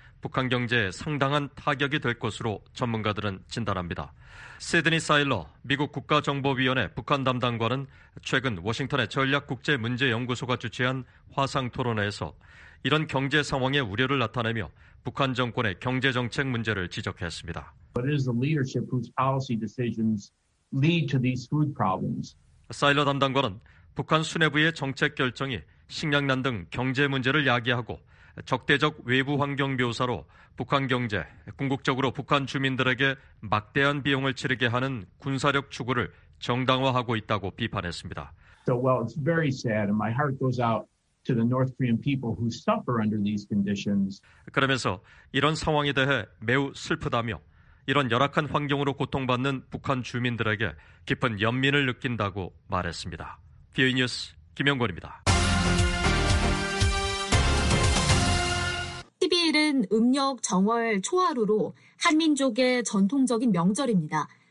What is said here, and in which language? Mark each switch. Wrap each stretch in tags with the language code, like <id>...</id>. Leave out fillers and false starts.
<ko>북한 경제에 상당한 타격이 될 것으로 전문가들은 진단합니다. 시드니 사일러 미국 국가정보위원회 북한 담당관은 최근 워싱턴의 전략국제문제연구소가 주최한 화상토론회에서 이런 경제 상황에 우려를 나타내며 북한 정권의 경제정책 문제를 지적했습니다.</ko> <en>But it is the leadership whose policy decisions lead to these food problems.</en> <ko>사일러 담당관은 북한 수뇌부의 정책 결정이 식량난 등 경제 문제를 야기하고 적대적 외부 환경 묘사로 북한 경제, 궁극적으로 북한 주민들에게 막대한 비용을 치르게 하는 군사력 추구를 정당화하고 있다고 비판했습니다.</ko> <en>So, well, it's very sad and my heart goes out to the North Korean people who suffer under these conditions.</en> <ko>그러면서 이런 상황에 대해 매우 슬프다며 이런 열악한 환경으로 고통받는 북한 주민들에게 깊은 연민을 느낀다고 말했습니다. VOA 뉴스 김영권입니다. TBL은 음력 정월 초하루로 한민족의 전통적인 명절입니다.</ko>